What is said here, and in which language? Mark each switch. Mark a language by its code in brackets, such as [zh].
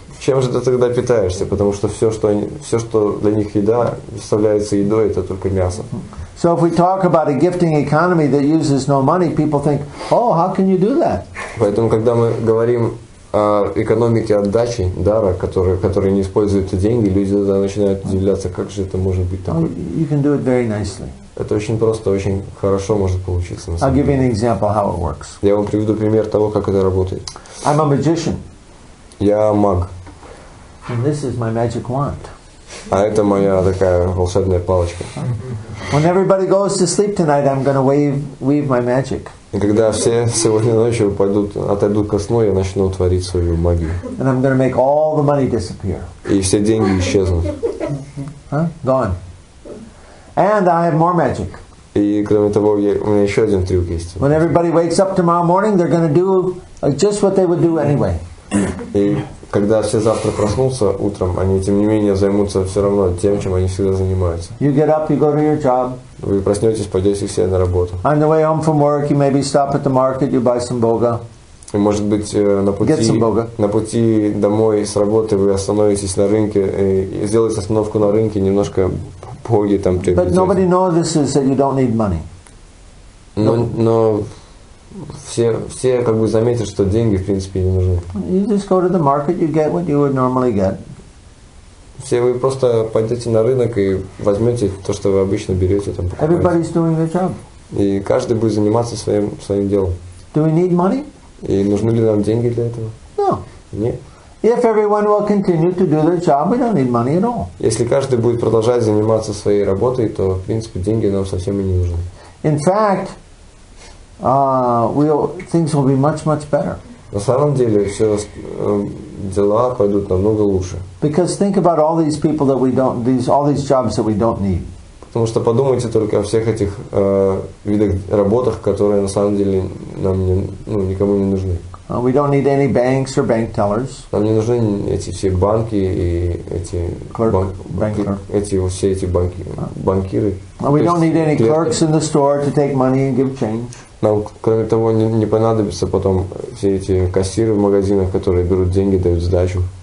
[ru] Чем же ты тогда питаешься? Потому что все, что для них еда, представляется едой, это только мясо. [en] So if we talk about a gifting economy that uses no money, people think, oh, how can you do that? [ru] Поэтому, когда мы говорим о экономике отдачи, дара, который не использует деньги, люди тогда начинают удивляться, как же это может быть такое. [en] You can do it very nicely. [ru] Это очень просто, очень хорошо может получиться. [en] I'll give you an example how it works. [ru] Я вам приведу пример того, как это работает. [en] I'm a magician. [ru] Я маг. [en] And this is my magic wand. [ru] А это моя такая волшебная палочка. [en] When everybody goes to sleep tonight, I'm going to weave my magic. [ru] И когда все сегодня ночью отойдут ко сну, я начну творить свою магию. [en] And I'm going to make all the money disappear. [ru] И все деньги исчезнут. [en] Gone. And I have more magic. [ru] И кроме того, у меня еще один трюк есть. [en] When everybody wakes up tomorrow morning, they're going to do just what they would do anyway. [ru] И когда все завтра проснутся утром, они тем не менее займутся все равно тем, чем они всегда занимаются. [en] You get up, you go to your job. [ru] Вы проснетесь, пойдете все на работу. [en] On the way home from work, you maybe stop at the market, you buy some boga. [ru] И может быть на пути домой с работы вы остановитесь на рынке и сделаете остановку на рынке, немножко боги там приобретете. [en] But nobody notices that you don't need money. [ru] Но Все как бы заметят, что деньги в принципе не нужны. [en] You just go to the market, you get what you would normally get. [ru] Все вы просто пойдете на рынок и возьмете то, что вы обычно берете там. Покупаете. [en] Everybody's doing their job. [ru] И каждый будет заниматься своим делом. [en] Do we need money? [ru] И нужны ли нам деньги для этого? [en] No. [ru] Нет. [en] If everyone will continue to do their job, we don't need money at all. [ru] Если каждый будет продолжать заниматься своей работой, то в принципе деньги нам совсем и не нужны. [en] In fact. Things will be much, much better. [ru] На самом деле все дела пойдут намного лучше. [en] Because think about all these people that we don't, these all these jobs that we don't need. [ru] Потому что подумайте только о всех этих видах работах, которые на самом деле нам никому не нужны. [en] We don't need any banks or bank tellers. [ru] Нам не нужны эти все банки и эти банкиры. [en] We don't need any clerks in the store to take money and give change. [ru] Нам, кроме того, не понадобятся потом все эти кассиры в магазинах, которые берут деньги, дают сдачу.